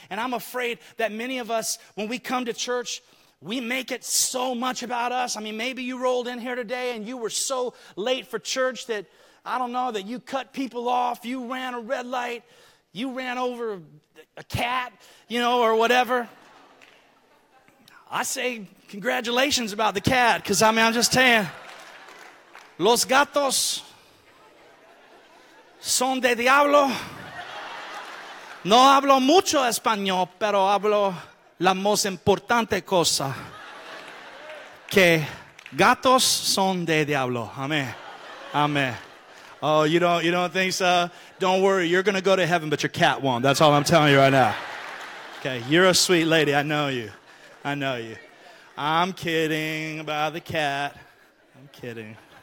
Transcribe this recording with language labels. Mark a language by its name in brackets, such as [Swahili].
[English] And I'm afraid that many of us, when we come to church, we make it so much about us. I mean, maybe you rolled in here today and you were so late for church that, I don't know, that you cut people off, you ran a red light, you ran over a cat, you know, or whatever. I say congratulations about the cat because, I mean, I'm just saying, [Spanish] los gatos son de diablo. No hablo mucho español, pero hablo la más importante cosa, que gatos son de diablo. [English] Amen. Amen. Oh, you don't think so? Don't worry. You're going to go to heaven, but your cat won't. That's all I'm telling you right now. Okay, you're a sweet lady. I know you. I know you. I'm kidding about the cat. I'm kidding.